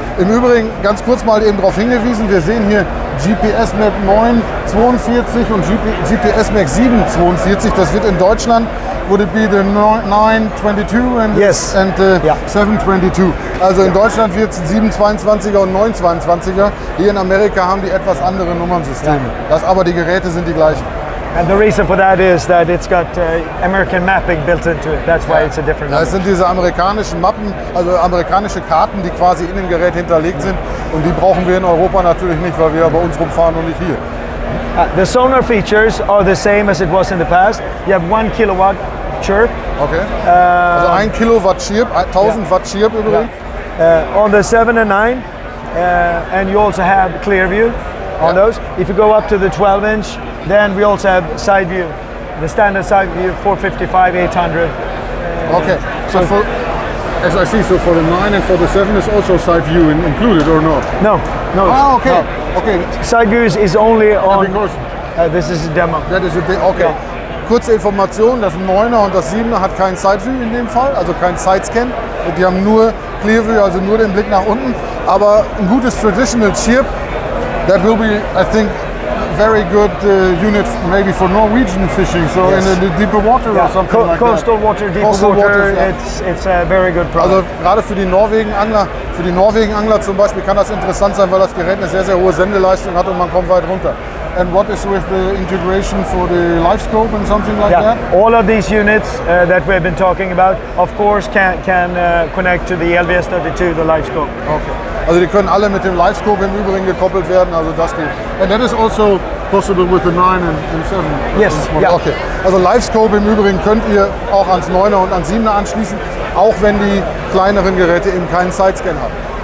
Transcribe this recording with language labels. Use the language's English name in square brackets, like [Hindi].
[German] Im Übrigen, ganz kurz mal eben darauf hingewiesen, wir sehen hier GPS-Map 9-42 und GPS-Map 7-42. Das wird in Deutschland, [English] would it be the 9-22 and, yes. and the 7-22. [German] Also in Deutschland wird es 7-22er und 9-22er. Hier in Amerika haben die etwas andere Nummernsysteme. Yeah. Das, aber die Geräte sind die gleichen. [English] And the reason for that is that it's got American mapping built into it. That's why it's a different [German] number. Das sind diese amerikanischen Mappen, also amerikanische Karten, die quasi in dem Gerät hinterlegt sind. Und die brauchen wir in Europa natürlich nicht, weil wir bei uns rumfahren und nicht hier. [English] The sonar features are the same as it was in the past. You have 1 kilowatt chirp. [German] Okay. Also 1 kilowatt chirp, 1000 watt chirp übrigens. [English] On the 7 and 9, and you also have clear view on those. If you go up to the 12 inch, then we also have side view, the standard side view 455, 800. Okay. So for, as I see, so for the 9 and for the 7 is also side view included or not? No. No. Ah, okay. No. Okay. Side view is only on. This is a demo. That is a demo. Okay. Yeah. [German] Kurze Information: Das 9er und das 7er hat kein Side View in dem Fall, also kein Side Scan. Die haben nur Clear View, also nur den Blick nach unten. Aber ein gutes [English] traditional chip, that will be, I think, very good unit maybe for Norwegian fishing, so in the deeper water or something like that. Coastal water, deeper coastal water, it's a very good product. [German] Also gerade für die Norwegen Angler zum Beispiel kann das interessant sein, weil das Gerät eine sehr, sehr hohe Sendeleistung hat und man kommt weit runter. [English] And what is with the integration for the LiveScope and something like that? All of these units that we have been talking about, of course, can connect to the LVS32, the LiveScope. Okay. [German] Also die können alle mit dem LiveScope im Übrigen gekoppelt werden, also das geht. [English] And that is also possible with the 9 and 7. Yes. Yeah. Okay. [German] Also LiveScope im Übrigen könnt ihr auch ans 9er und ans 7er anschließen, auch wenn die kleineren Geräte eben keinen Sidescan haben.